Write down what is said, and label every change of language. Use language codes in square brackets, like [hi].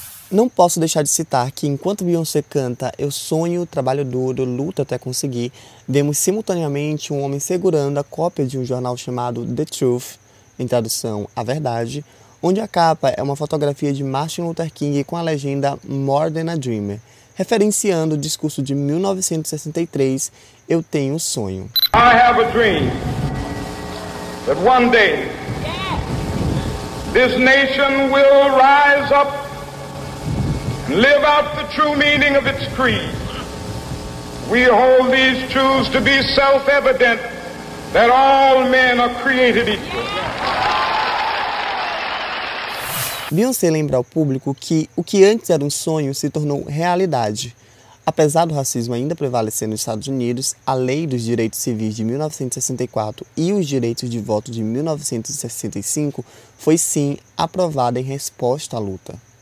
[pt] Não posso deixar de citar que enquanto Beyoncé canta "Eu sonho, trabalho duro, luto até conseguir", vemos simultaneamente um homem segurando a cópia de um jornal chamado The Truth, em tradução, A Verdade, onde a capa é uma fotografia de Martin Luther King com a legenda [en] "More Than a Dreamer", [pt] referenciando o discurso de 1963, "Eu Tenho um Sonho". [en] I have a dream that one day this nation will rise up and live out the true meaning of its creed. We hold these truths to be self-evident, that all men are created equal. [pt] Beyoncé lembra ao público que o que antes era um sonho se tornou realidade. Apesar do racismo ainda prevalecer nos Estados Unidos, a Lei dos Direitos Civis de 1964 e os Direitos de Voto de 1965 foi sim aprovada em resposta à luta.